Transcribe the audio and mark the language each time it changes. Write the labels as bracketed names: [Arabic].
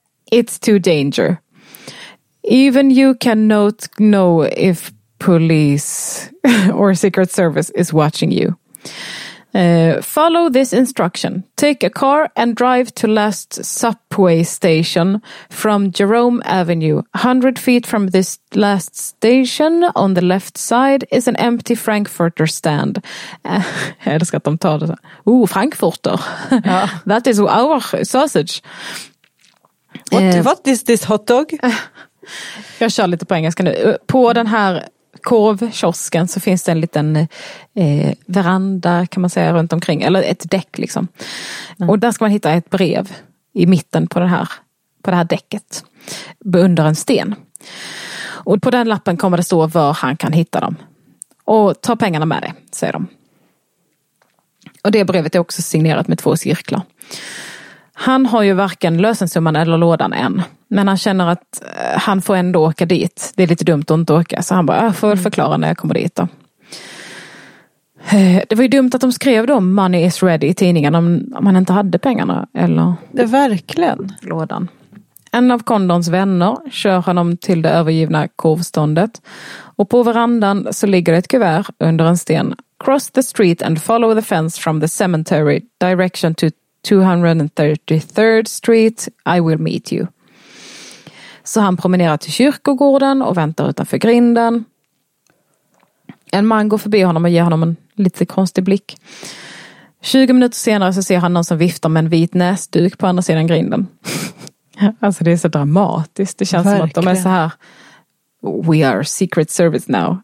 [English] It's too danger. Even you cannot know if police or secret service is watching you. Follow this instruction. Take a car and drive to last subway station from Jerome Avenue. 100 feet from this last station on the left side is an empty Frankfurter stand. [Swedish] Jag älskar att de tar det. [English] Ooh, Frankfurter. [Swedish] Ja. [English] That is our sausage. What is this hot dog? [Swedish] Jag kör lite på engelska nu. På den här korvkiosken så finns det en liten veranda kan man säga runt omkring, eller ett däck liksom. Mm. Och där ska man hitta ett brev i mitten på det här däcket under en sten. Och på den lappen kommer det stå var han kan hitta dem. Och ta pengarna med dig, säger de. Och det brevet är också signerat med två cirklar. Han har ju varken lösensumman eller lådan än. Men han känner att han får ändå åka dit. Det är lite dumt att inte åka. Så han bara, jag får väl förklara när jag kommer dit då. Det var ju dumt att de skrev då [English] "money is ready" [Swedish] i tidningen om han inte hade pengarna. Eller det är verkligen. Lådan. En av Condons vänner kör honom till det övergivna korvståndet. Och på verandan så ligger ett kuvert under en sten. [English] "Cross the street and follow the fence from the cemetery direction to 233rd street. I will meet you." [Swedish] Så han promenerar till kyrkogården och väntar utanför grinden. En man går förbi honom och ger honom en lite konstig blick. 20 minuter senare så ser han någon som viftar med en vit näsduk på andra sidan grinden. Alltså det är så dramatiskt. Det känns verkligen som att de är så här: [English] "We are secret service now.